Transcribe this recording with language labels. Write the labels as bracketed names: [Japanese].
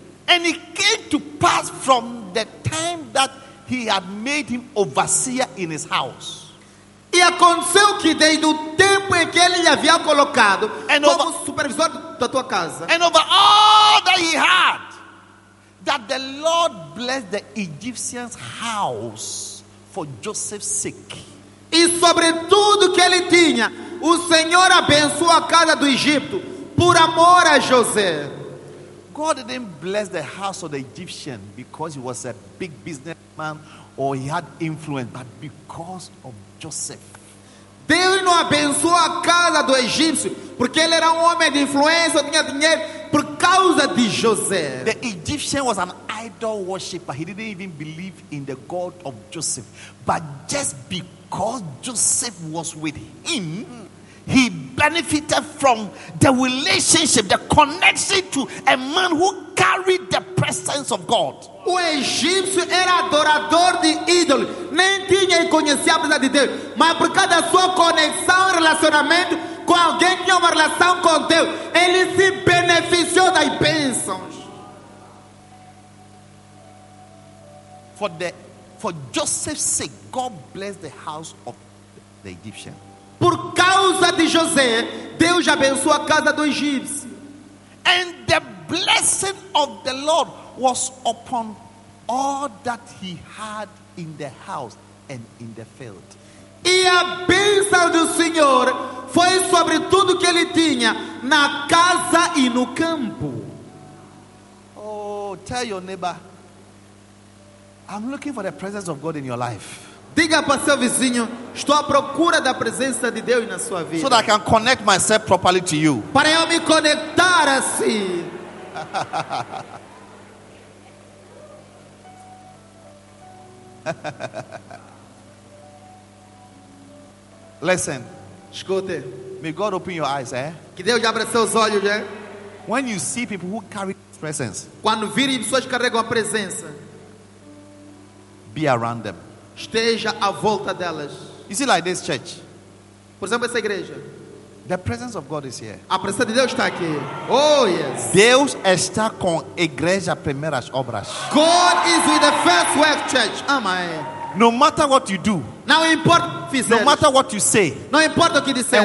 [English] And it came to pass from the time that he had made him overseer in his house. [Portuguese] E aconteceu que desde o tempo em que ele havia colocado [English] and [Portuguese] como over, supervisor da tua casa. [English] And over all that he had, that the Lord blessed the Egyptian's house for Joseph's sake. [Portuguese] E sobre tudo que ele tinha, o Senhor abençoou a casa do Egito por amor a José. [English] God didn't bless the house of the Egyptian because he was a big businessman or he had influence, but because of Joseph. [Portuguese] Deus não abençoou a casa do Egípcio Porque ele era um homem de influência, tinha dinheiro por causa de José. [English] The Egyptian was an idol worshiper. He didn't even believe in the God of Joseph. But just because Joseph was with him, he benefited from the relationship, the connection to a man who carried the presence of God. [Portuguese] O egípcio era adorador de ídolos, nem tinha e conhecia a presença de Deus, mas por causa da sua conexão, relacionamento com alguém, tinha uma relação com Deus, ele se beneficiou das bênçãos. [English] For Joseph's sake, God blessed the house of the Egyptian. [Portuguese] Por causa de José, Deus abençoou a casa do egípcio. [English] And the blessing of the Lord was upon all that he had in the house and in the field. [Portuguese] E a bênção do Senhor foi sobre tudo que ele tinha na casa e no campo. [English] Oh, tell your neighbor, I'm looking for the presence of God in your life. [Portuguese] Diga para seu vizinho, estou à procura da presença de Deus na sua vida. [English] So that I can connect myself properly to you. [Portuguese] Para eu me conectar assim. [English] Listen. [Portuguese] Escute. [English] May God open your eyes, eh? [Portuguese] Que Deus abra seus olhos, eh? [English] When you see people who carry presence. [Portuguese] Quando virem pessoas que carregam a presença. [English] Be around them. [Portuguese] Esteja à volta delas. [English] You see, like this church. [Portuguese] Por exemplo, essa igreja. [English] The presence of God is here. [Portuguese] A presença de Deus está aqui. [English] Oh yes. [Portuguese] Deus está com a igreja primeiras obras. [English] God is with the first work church. Am I? No matter what you do. [Portuguese] Não importa o que fizeres. [English] No matter what you say. [Portuguese] Não importa o que disseres.